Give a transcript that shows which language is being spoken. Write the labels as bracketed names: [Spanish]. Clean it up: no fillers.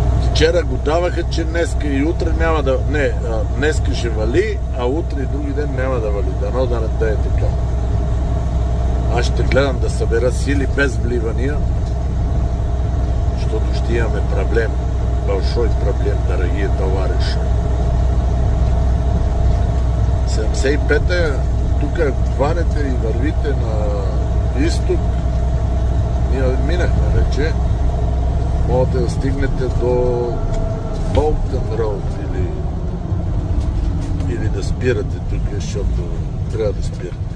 [Bulgarian] Вчера го даваха, че днеска и утре няма да... не, днеска ще вали, а утре и други ден няма да вали. Дано да не да е така. Аз ще гледам да събера сили без вливания, защото ще имаме проблем. [Russian] Большой проблем, дорогие товариши. [Bulgarian] 75-та, тук хванете и вървите на изток. Ние минахме вече. Можете да стигнете до Болтън Роуд или да спирате тук, защото трябва да спирате.